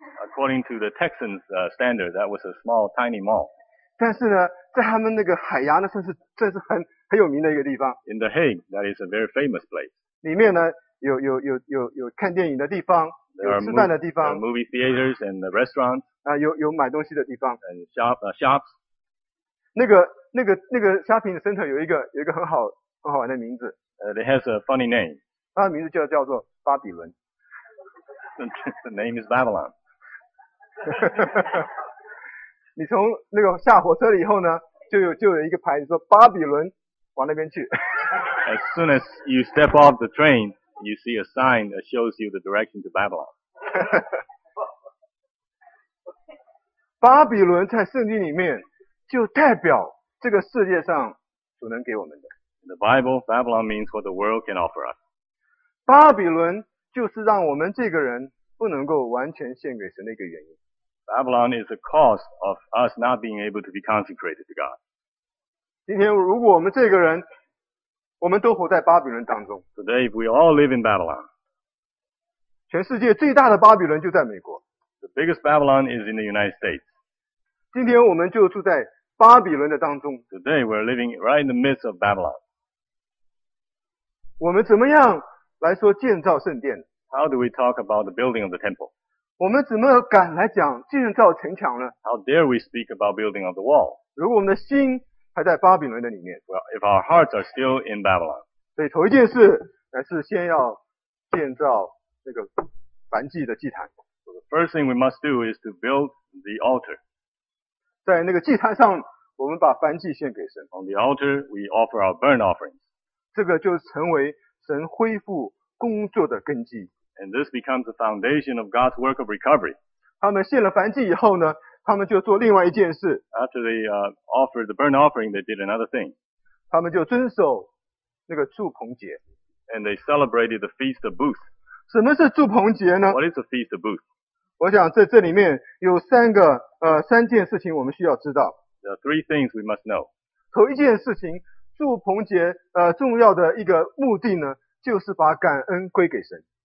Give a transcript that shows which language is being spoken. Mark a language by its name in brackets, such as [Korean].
[English] According to the Texans standard, that was a small, tiny mall. [Chinese] 但是呢，在他们那个海牙呢，算是很有名的一个地方。 [English] In the Hague, that is a very famous place. [Chinese] 里面呢，有看电影的地方，有吃饭的地方。 [English] Movie theaters and the restaurants. [Chinese] 啊，有买东西的地方。 [English] And shops. [Chinese] 那个 shopping center 有一个很好玩的名字。 [English] It has a funny name. [Chinese] 它的名字叫做巴比伦。 [English] The name is Babylon. [Chinese] 你从那个下火车了以后呢，就有一个牌子说巴比伦往那边去。 [English] As soon as you step off the train, you see a sign that shows you the direction to Babylon. [Chinese] 巴比伦在圣经里面就代表这个世界上所能给我们的。 [English] In the Bible, Babylon means what the world can offer us. [Chinese] 巴比伦就是让我们这个人不能够完全献给神的一个原因。 [English] Babylon is the cause of us not being able to be consecrated to God. [Chinese] 今天如果我们这个人，我们都活在巴比伦当中。 [English] Today, if we all live in Babylon. [Chinese] 全世界最大的巴比伦就在美国。 [English] The biggest Babylon is in the United States. [Chinese] 今天我们就住在巴比伦的当中。 [English] Today, we're living right in the midst of Babylon. [Chinese] 我们怎么样来说建造圣殿？ [English] How do we talk about the building of the temple? [Chinese] 我们怎么敢来讲建造城墙呢？ [English] How dare we speak about building of the wall? [Chinese] 如果我们的心还在巴比伦的里面， [English] Well, if our hearts are still in Babylon. [Chinese] 所以头一件事还是先要建造那个燔祭的祭坛。 [English] So the first thing we must do is to build the altar. [Chinese] 在那个祭坛上，我们把燔祭献给神。 [English] On the altar, we offer our burnt offerings. [Chinese] 这个就成为神恢复工作的根基。 [English] And this becomes the foundation of God's work of recovery. [Chinese] 他们献了燔祭以后呢，他们就做另外一件事。 [English] After they offered the burnt offering, they did another thing. [Chinese] 他们就遵守那个祝棚节。 [English] And they celebrated the Feast of Booth. [Chinese] 什么是祝棚节呢？ [English] What is the Feast of Booth? [Chinese] 我想在这里面有三件事情我们需要知道。 [English] There are three things we must know. [Chinese] 头一件事情，祝棚节重要的一个目的呢，就是把感恩归给神。